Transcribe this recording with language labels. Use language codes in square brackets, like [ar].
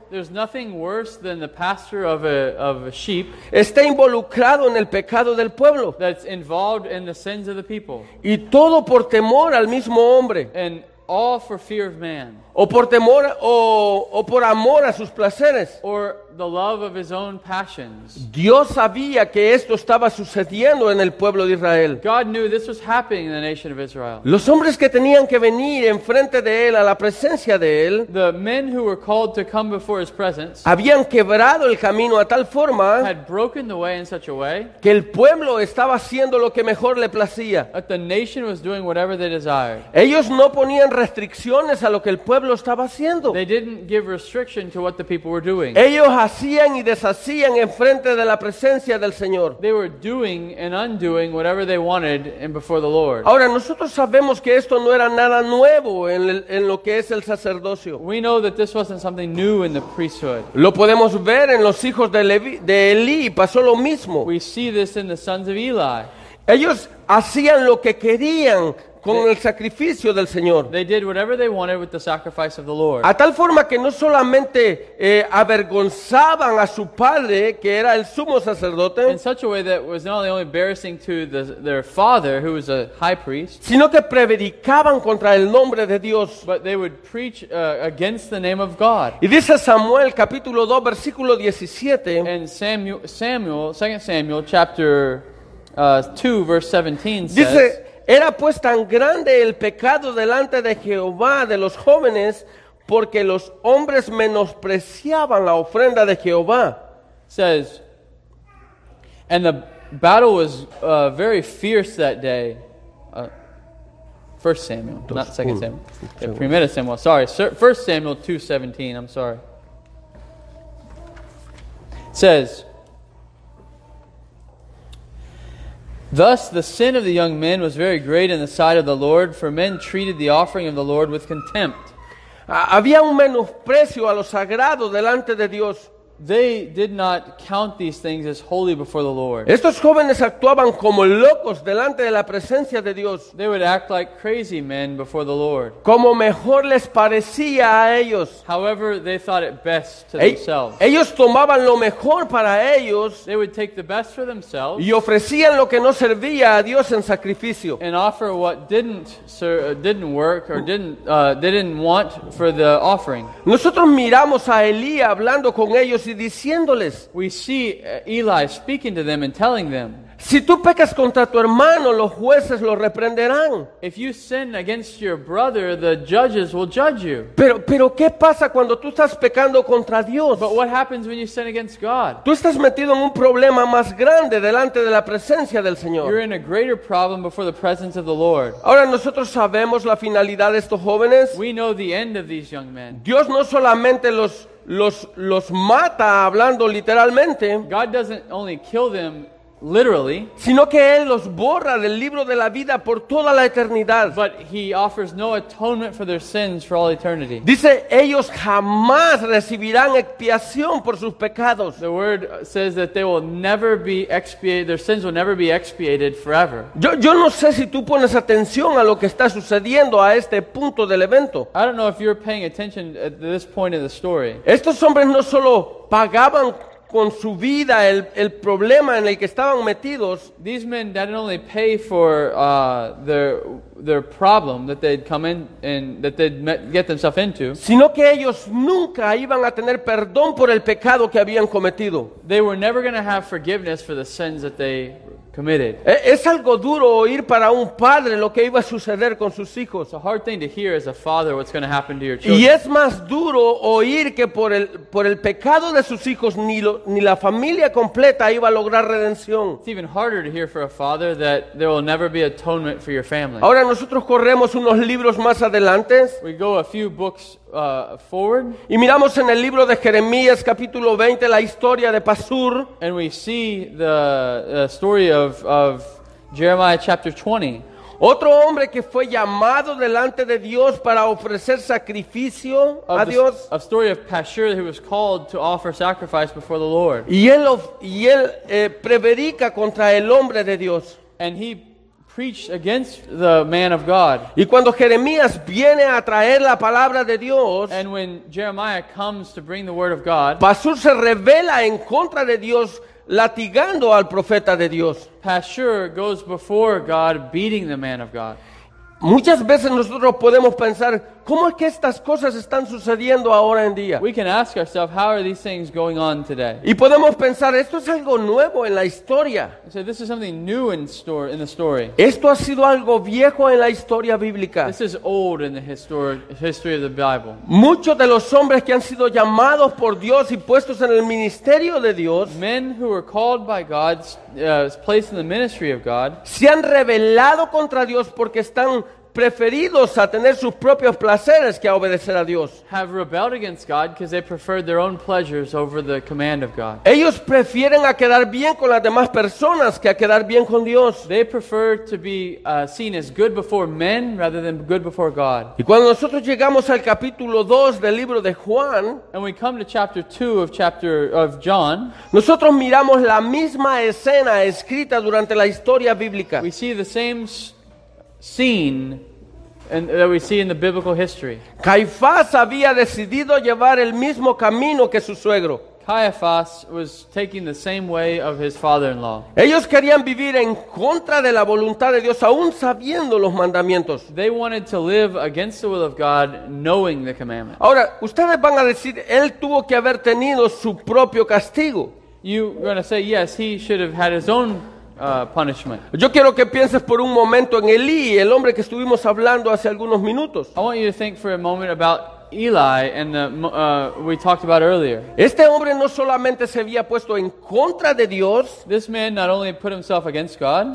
[en] There's nothing worse than the pastor of a sheep. [es] Está involucrado en el pecado del pueblo. [en] That's involved in the sins of the people. [es] Y todo por temor al mismo hombre. [en] And all for fear of man. [es] O por temor o por amor a sus placeres. [en] Or the love of his own passions. [es] Dios sabía que esto estaba sucediendo en el pueblo de Israel. [en] God knew this was happening in the nation of Israel. [es] Los hombres que tenían que venir enfrente de él, a la presencia de él, [en] the men who were called to come before his presence, [es] habían quebrado el camino a tal forma, [en] had broken the way in such a way, [es] que el pueblo estaba haciendo lo que mejor le placía. [en] That the nation was doing whatever they desired. [es] Ellos no ponían restricciones a lo que el pueblo estaba haciendo. [en] They didn't give restriction to what the people were doing. [es] Ellos hacían y deshacían en frente de la presencia del Señor. [en] They were doing and undoing whatever they wanted in before the Lord. [es] Ahora, nosotros sabemos que esto no era nada nuevo en lo que es el sacerdocio. [en] We know that this wasn't something new in the priesthood. [es] Lo podemos ver en los hijos de Eli, pasó lo mismo. [en] We see this in the sons of Eli. [es] Ellos hacían lo que querían con el sacrificio del Señor. [en] They did whatever they wanted with the sacrifice of the Lord. [es] A tal forma que no solamente avergonzaban a su padre, que era el sumo sacerdote, [en] in such a way that was not only embarrassing to their father, who was a high priest, [es] sino que predicaban contra el nombre de Dios. [en] But they would preach against the name of God. [es] Y dice Samuel, capítulo 2, versículo 17. [en] And Samuel, 2 Samuel, chapter 2, verse 17 [es] says, dice, era pues tan grande el pecado delante de Jehová de los jóvenes, porque los hombres menospreciaban la ofrenda de Jehová. [en] Says, and the battle was very fierce that day. 1 Samuel, not 2 Samuel. [es] Primera Samuel, [en] sorry. 1 Samuel 2:17, I'm sorry. It says, thus the sin of the young men was very great in the sight of the Lord, for men treated the offering of the Lord with contempt. [es] Había un menosprecio a lo sagrado delante de Dios. [en] They did not count these things as holy before the Lord. [es] Estos jóvenes actuaban como locos delante de la presencia de Dios. [en] They would act like crazy men before the Lord. [es] Como mejor les parecía a ellos. [en] However, they thought it best to themselves. [es] Ellos tomaban lo mejor para ellos. [en] They would take the best for themselves. [es] Y ofrecían lo que no servía a Dios en sacrificio. [en] And offer what didn't work or didn't want for the offering. [es] Nosotros miramos a Elías hablando con ellos. Y diciéndoles, [en] we see Eli speaking to them and telling them, [es] si tú pecas contra tu hermano, los jueces lo reprenderán. [en] If you sin against your brother, the judges will judge you. [es] Pero ¿qué pasa cuando tú estás pecando contra Dios? [en] But what happens when you sin against God? [es] Tú estás metido en un problema más grande delante de la presencia del Señor. [en] You're in a greater problem before the presence of the Lord. [es] Ahora, nosotros sabemos la finalidad de estos jóvenes. [en] We know the end of these young men. [es] Dios no solamente los mata hablando literalmente. [en] God doesn't only kill them literally, [es] sino que él los borra del libro de la vida por toda la eternidad. [en] But he offers no atonement for their sins for all eternity. [es] Dice, ellos jamás recibirán expiación por sus pecados. [en] The word says that they will never be expiated, their sins will never be expiated forever. [es] Yo no sé si tú pones atención a lo que está sucediendo a este punto del evento. [en] I don't know if you're paying attention at this point of the story. [es] Estos hombres no solo pagaban con su vida el problema en el que estaban metidos. [en] These men didn't only pay for their problem that they'd come in and that they'd get themselves into, [es] sino que ellos nunca iban a tener perdón por el pecado que habían cometido. [en] They were never going to have forgiveness for the sins that they committed. [es] Es algo duro oír para un padre lo que iba a suceder con sus hijos. [en] It's a hard thing to hear as a father what's going to happen to your children. [es] Y es más duro oír que por el pecado de sus hijos ni la familia completa iba a lograr redención. [en] It's even harder to hear for a father that there will never be atonement for your family. [es] Ahora nosotros corremos unos libros más adelante. [en] We go a few books forward. [es] Y miramos en el libro de Jeremías capítulo 20 la historia de Pasur. [en] And we see the story of Jeremiah chapter 20. [es] Otro hombre que fue llamado delante de Dios para ofrecer sacrificio a Dios. [en] A story of Pashur who was called to offer sacrifice before the Lord. [es] Y él prevarica contra el hombre de Dios. [en] And he preached against the man of God. [es] Y cuando Jeremías viene a traer la palabra de Dios, [en] and when Jeremiah comes to bring the word of God, [es] Pashur se revela en contra de Dios, latigando al profeta de Dios. [en] Pashur goes before God, beating the man of God. [es] Muchas veces nosotros podemos pensar, ¿cómo es que estas cosas están sucediendo ahora en día? [en] We can ask ourselves, how are these things going on today? [es] Y podemos pensar, esto es algo nuevo en la historia. [en] So this is something new in the story. [es] Esto ha sido algo viejo en la historia bíblica. [en] This is old in the history of the Bible. [es] Muchos de los hombres que han sido llamados por Dios y puestos en el ministerio de Dios, [en] men who were called by God, placed in the ministry of God, [es] se han rebelado contra Dios porque están preferidos a tener sus propios placeres que a obedecer a Dios. [en] Have rebelled against God because they preferred their own pleasures over the command of God. [es] Ellos prefieren a quedar bien con las demás personas que a quedar bien con Dios. [en] They prefer to be seen as good before men rather than good before God. [es] Y cuando nosotros llegamos al capítulo 2 del libro de Juan, [en] and we come to chapter 2 of John, [es] nosotros miramos la misma escena escrita durante la historia bíblica. [en] We see the same scene and that we see in the biblical history. [es] Caifás había decidido llevar el mismo camino que su suegro. [en] Caifás was taking the same way of his father-in-law. [es] Ellos querían vivir en contra de la voluntad de Dios, aún sabiendo los mandamientos. [en] They wanted to live against the will of God, knowing the commandments. [es] Ahora, ustedes van a decir, él tuvo que haber tenido su propio castigo. [en] You're going to say, yes, he should have had his own punishment. [es] Yo quiero que pienses por un momento en Elí, el hombre que estuvimos hablando hace algunos minutos. [en] I want you to think for a moment about Eli and we talked about earlier. [es] Este hombre no solamente se había puesto en contra de Dios, [en] this man not only put himself against God,